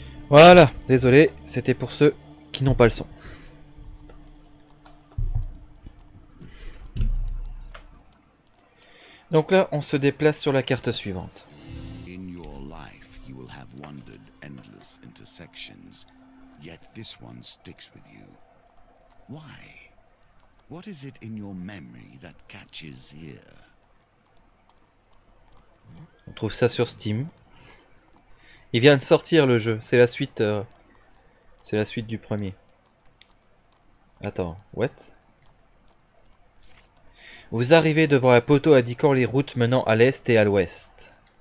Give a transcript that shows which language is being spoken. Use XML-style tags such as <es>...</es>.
<fr>Voilà, désolé, c'était pour ceux qui n'ont pas le son. Donc là, on se déplace sur la carte suivante.</fr> <en>In your life, you will have wandered endless intersections, yet this one sticks with you. Why? What is it in your memory that catches here?</en> <fr>On trouve ça sur Steam. Il vient de sortir le jeu, c'est la suite du premier. Attends,</fr> <en>what?</en> <fr>Vous arrivez devant un poteau indiquant les routes menant à l'est et à l'ouest.</fr>